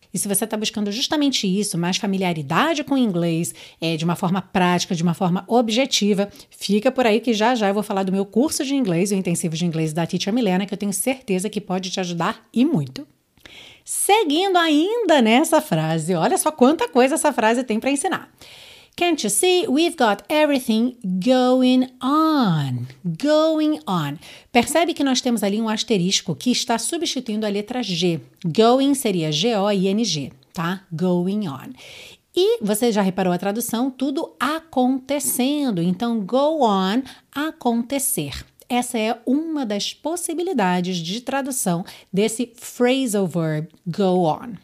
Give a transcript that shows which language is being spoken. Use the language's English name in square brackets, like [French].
[Portuguese] E se você está buscando justamente isso, mais familiaridade com o inglês, de uma forma prática, de uma forma objetiva, fica por aí que já já eu vou falar do meu curso de inglês, o intensivo de inglês da Teacher Milena, que eu tenho certeza que pode te ajudar e muito. Seguindo ainda nessa frase, olha só quanta coisa essa frase tem para ensinar. [English] Can't you see? We've got everything going on. Going on. [Portuguese] Percebe que nós temos ali um asterisco que está substituindo a letra G. Going seria G-O-I-N-G, tá? [English] Going on. [Portuguese] E você já reparou a tradução? Tudo acontecendo. Então, go on, acontecer. Essa é uma das possibilidades de tradução desse phrasal verb go on.